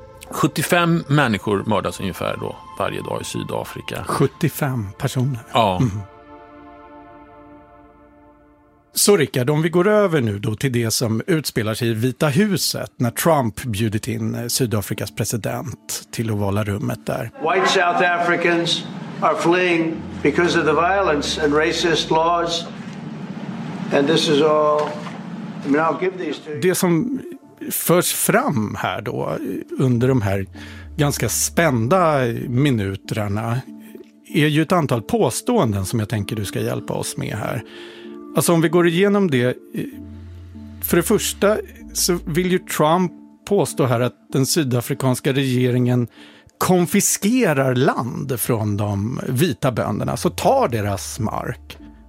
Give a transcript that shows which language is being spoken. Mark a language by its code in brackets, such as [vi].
[sv] 75 människor mördas ungefär då varje dag i Sydafrika. 75 personer. Ja. Mm. Så Rickard, om vi går över nu då till det som utspelar sig i Vita huset när Trump bjudit in Sydafrikas president till ovala rummet där. [en] White South Africans are fleeing because of the violence and racist laws. And this is all, I mean, I'll give these to you. [sv] Det som förs fram här då under de här ganska spända minuterna är ju ett antal påståenden som jag tänker du ska hjälpa oss med här. Alltså om vi går igenom det, för det första så vill ju Trump påstå här att den sydafrikanska regeringen konfiskerar land från de vita bönderna, så tar deras mark.